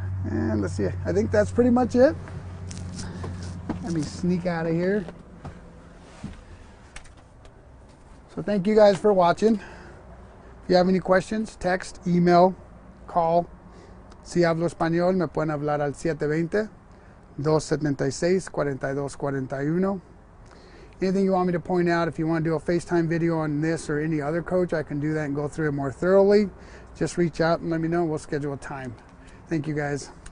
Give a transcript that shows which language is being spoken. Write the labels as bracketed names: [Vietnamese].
[English] And let's see, I think that's pretty much it. Let me sneak out of here. So thank you guys for watching. If you have any questions, text, email, call. [Spanish] Si hablo español, me pueden hablar al 720-276-4241. [English] Anything you want me to point out, if you want to do a FaceTime video on this or any other coach, I can do that and go through it more thoroughly. Just reach out and let me know. We'll schedule a time. Thank you, guys.